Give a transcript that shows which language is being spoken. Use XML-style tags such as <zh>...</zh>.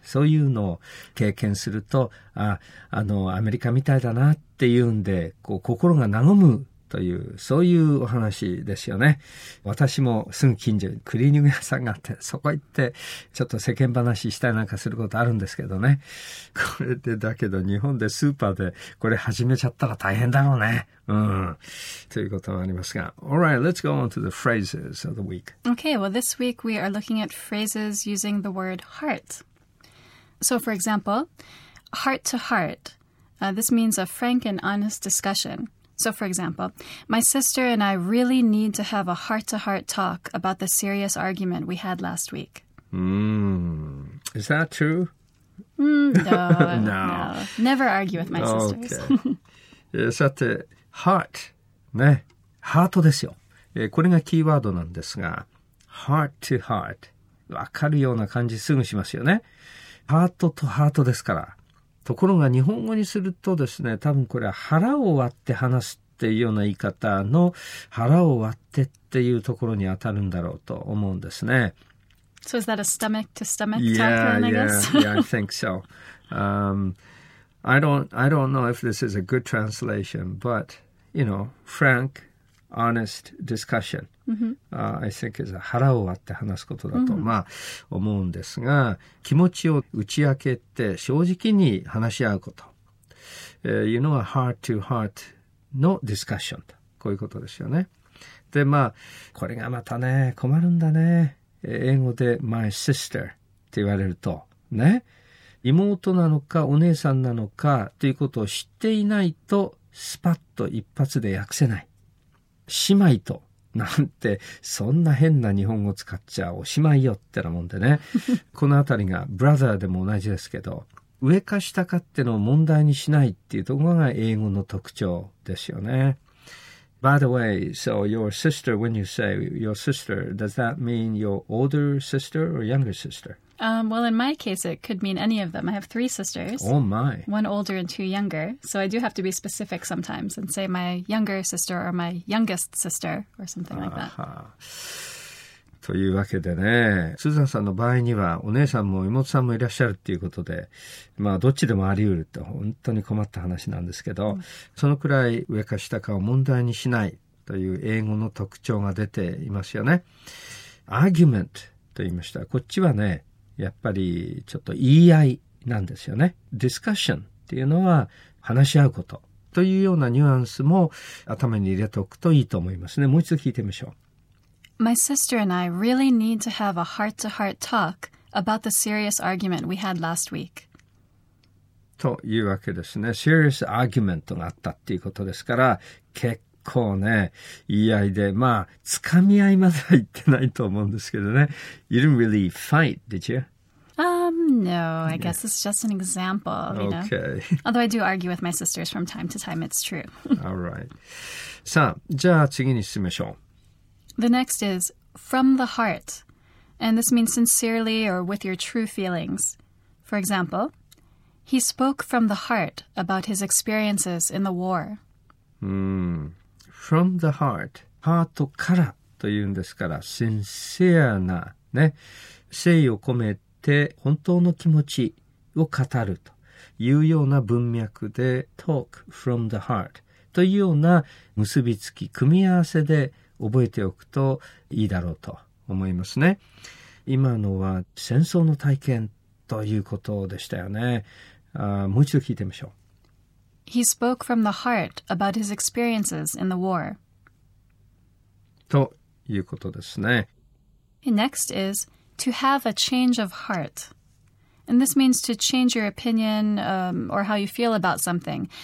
<ja>そういうのを経験すると、アメリカみたいだなっていうんで、こう、心が和む、というそういうお話ですよね。私もすぐ近所にクリーニング屋さんがあって、そこ行ってちょっと世間話したりなんかすることあるんですけどね。これでだけど日本でスーパーでこれ始めちゃったら大変だろうね。ということもありますが。</ja> <en>All right, let's go on to the phrases of the week. Okay, well this week we are looking at phrases using the word heart. So for example, heart to heart. This means a frank and honest discussion. So, for example, my sister and I really need to have a heart-to-heart talk about the serious argument we had last week. Is that true? No. Never argue with my sisters.</en> <ja>Okay. さて、heart。ね。ハートですよ。これがキーワードなんですが、heart-to-heart。わかるような感じすぐしますよね。ハートとハートですから。ところが日本語にするとですね、多分これは腹を割って話すっていうような言い方の腹を割ってっていうところに当たるんだろうと思うんですね。</ja> <en>So is that a stomach to stomach talk? Yeah, I think so. I don't know if this is a good translation, but, you know, frank, honest discussion. I think is a</en> <ja>腹を割って話すことだと、まあ、思うんですが、気持ちを打ち明けて正直に話し合うこと。</ja> <en>You know, a heart to heart</en> <ja>の discussion と。こういうことですよね。で、まあ、これがまたね、困るんだね。英語で my sister って言われるとね、妹なのかお姉さんなのかということを知っていないとスパッと一発で訳せない。姉妹と、なんてそんな変な日本語使っちゃおしまいよってなもんでね。このあたりが brother でも同じですけど、上か下かっての問題にしないっていうところが英語の特徴ですよね。</ja> <en>By the way, so your sister, when you say your sister, does that mean your older sister or younger sister? Well, in my case, it could mean any of them. I have three sisters. Oh, my. One older and two younger. So I do have to be specific sometimes and say my younger sister or my youngest sister or something like that.</en> <ja>というわけでね、スーザンさんの場合にはお姉さんも妹さんもいらっしゃるっていうことで、まあどっちでもあり得るって本当に困った話なんですけど、そのくらい上か下かを問題にしないという英語の特徴が出ていますよね。 Argument と言いました。こっちはね、やっぱりちょっと言い合いなんですよね。 Discussion っていうのは話し合うことというようなニュアンスも頭に入れておくといいと思いますね。もう一度聞いてみましょう。</ja> <en>My sister and I really need to have a heart-to-heart talk about the serious argument we had last week.</en> <ja>というわけですね。Serious argument があったっていうことですから、結構ね、言い合いで、まあ、つかみ合いまでは言ってないと思うんですけどね。</ja> <en>You didn't really fight, did you? No, I guess it's just an example, you know. Okay. Although I do argue with my sisters from time to time, it's true. All right.</en> <ja>さあ、じゃあ次に進めましょう。</ja> <en>The next is from the heart, and this means sincerely or with your true feelings. For example, he spoke from the heart about his experiences in the war.</en> <ja>From the heart. ハートからというんですから、sincere な、ね、誠意を込めて本当の気持ちを語るというような文脈で</ja> <en>talk from the heart</en> <ja>というような結びつき、組み合わせで覚えておくといいだろうと思いますね。今のは戦争の体験ということでしたよね。もう一度聞いてみましょう。</ja> <en>He spoke from the heart about his experiences in the war.</en> <ja>ということですね。</ja> <en>Next is to have a change of heart. And this means to change your opinion, or how you feel about something.</en>